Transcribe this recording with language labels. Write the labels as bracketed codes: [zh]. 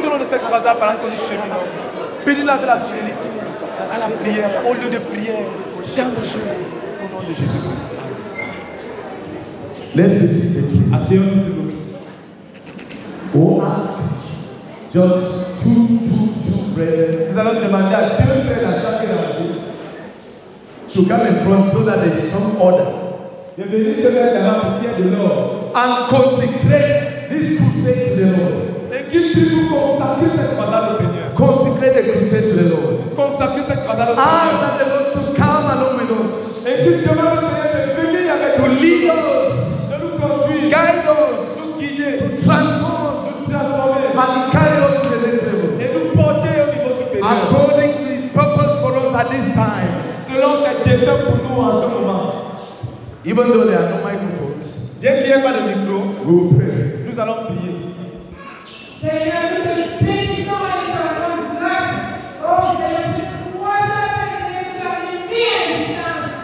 [fr] Tout au long de cette croisade par la conduite cheminée. Bénis-la de la fidélité à la prière, au lieu de prière, dans le jour, au nom de Jésus-Christ. Laisse-le s'y aller. Asseyez-vous. [en] Oh, ask just two prayers. [fr] Nous allons demander à deux prayers à chacun de nous [en] to come in front so that there is some order. [fr] Je veux juste faire la prière de l'ordre [en] and consecrate this crusade to the Lord. [fr] Et qu'il puisse vous consacrer cette croisade au Seigneur. [en] Consacrer the crusade to the Lord. [fr] Consacrer cette croisade au Seigneur. [en] Ask that the Lord to come along with us. [fr] Et qu'il demande au Seigneur de venir avec [en] to lead us. [fr] De nous conduire. [en] To guide us. And carry us to the next level. [fr] Et nous porter au niveau supérieur. [en] According to his purpose for us at this time. [fr] Selon ses desseins pour nous en ce moment. [en] Even though there are no microphones. [fr] Bien qu'il n'y ait pas de micro. [en] We will pray. [fr] Nous allons prier. Seigneur, nous te bénissons et nous te rendons grâce. Oh Seigneur, tu crois à ta créature, tu as mis à distance.